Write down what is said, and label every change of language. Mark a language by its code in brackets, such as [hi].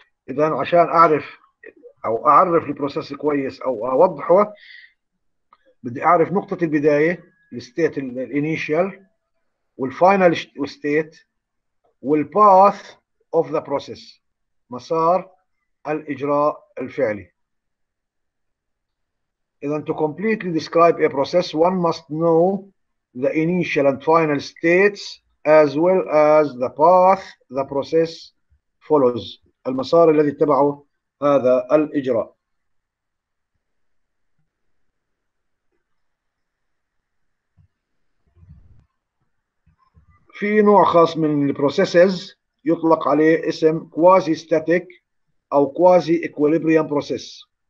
[ar] اذا عشان اعرف او اعرف البروسيس كويس او اوضحه بدي اعرف نقطه البدايه الستيت الانيشال والفاينل ستيت والباث اوف ذا بروسيس مسار الاجراء الفعلي. [en] Then to completely describe a process, one must know the initial and final states as well as the path the process follows. [ar] المسار الذي اتبعه هذا الإجراء. في نوع خاص من processes يطلق عليه اسم quasi-static أو quasi-equilibrium process.